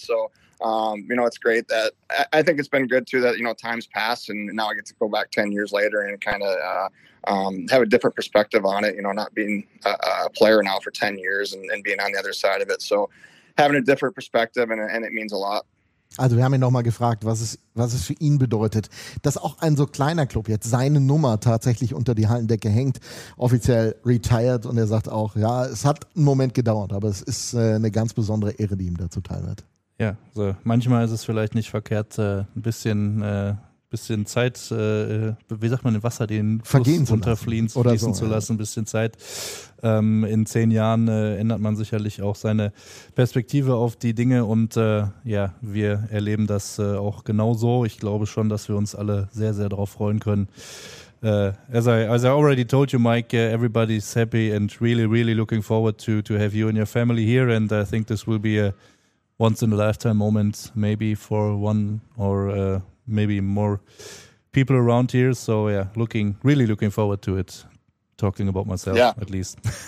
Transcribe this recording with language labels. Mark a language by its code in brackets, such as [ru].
[en] So, you know, it's great that I think it's been good, too, that, you know, time's passed and now I get to go back 10 years later and kind of have a different perspective on it, you know, not being a player now for 10 years and being on the other side of it. So having a different perspective and it means a lot. [de] Also wir haben ihn nochmal gefragt, was es für ihn bedeutet, dass auch ein so kleiner Club jetzt seine Nummer tatsächlich unter die Hallendecke hängt, offiziell retired, und er sagt auch, ja, es hat einen Moment gedauert, aber es ist eine ganz besondere Ehre, die ihm dazu teil wird. Ja, so manchmal ist es vielleicht nicht verkehrt, ein bisschen Zeit, wie sagt man, im Wasser den Fluss unterfließen zu lassen, ein bisschen Zeit. In 10 Jahren ändert man sicherlich auch seine Perspektive auf die Dinge, und wir erleben das auch genauso. Ich glaube schon, dass wir uns alle sehr, sehr darauf freuen können. [en] As I already told you, Mike, everybody's happy and really, really looking forward to have you and your family here, and I think this will be a once-in-a-lifetime moment, maybe for one or maybe more people around here. So yeah, really looking forward to it. Talking about myself, at least.